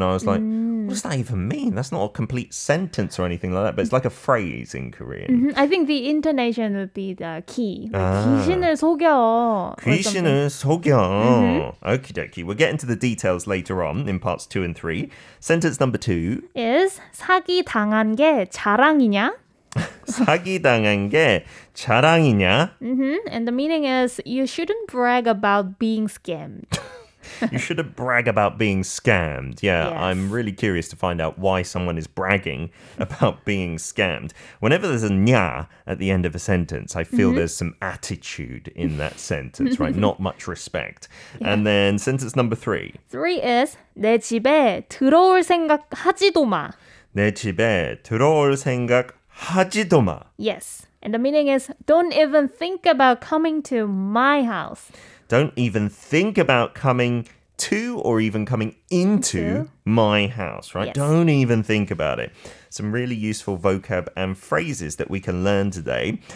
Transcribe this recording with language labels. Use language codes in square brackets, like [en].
[en] And I was like, what does that even mean? That's not a complete sentence or anything like that. But it's like a phrase in Korean. I think the intonation would be the key. [ko] 귀신을 속여. 귀신을 속여. [en] Okie dokie. We'll get into the details later on in parts 2 and 3. Sentence number 2 [ko] is 사기 당한 게 자랑이냐? 사기 당한 게 자랑이냐? [en] And the meaning is you shouldn't brag about being scammed. You shouldn't brag about being scammed. Yeah, yes. I'm really curious to find out why someone is bragging about being scammed. Whenever there's a nya at the end of a sentence, I feel there's some attitude in that sentence, right? Not much respect. Yeah. And then sentence number 3. [ko] 3 is 내 집에 들어올 생각 하지도 마. 내 집에 들어올 생각 하지도 마. [en] Yes. And the meaning is don't even think about coming to my house. Don't even think about coming to or even coming into my house, right? Yes. Don't even think about it. Some really useful vocab and phrases that we can learn today.